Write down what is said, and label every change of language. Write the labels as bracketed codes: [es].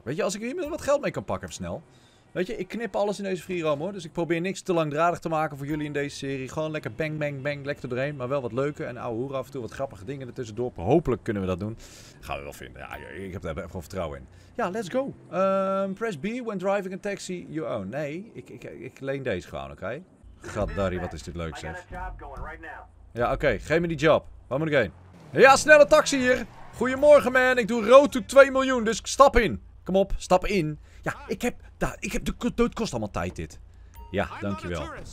[nl] Weet je, als ik hier met wat geld mee kan pakken, snel. Weet je, ik knip alles in deze freeroam hoor. Dus ik probeer niks te langdradig te maken voor jullie in deze serie. Gewoon lekker bang, bang, bang, lekker doorheen. Maar wel wat leuke en ouwe hoeren af en toe wat grappige dingen ertussendoor. Hopelijk kunnen we dat doen. Gaan we wel vinden. Ja, ik heb daar gewoon vertrouwen in. [en] Ja, let's go. Press B when driving a taxi you own. [nl] Nee, ik leen deze gewoon, oké? Gaddari, wat is dit leuk zeg. Ja, oké. Geef me die job. Waar moet ik heen? Ja, snelle taxi hier. Goedemorgen, man. Ik doe road to 2 miljoen, dus stap in. Kom op, stap in. Ja, ik heb het kost allemaal tijd dit. Ja, dankjewel.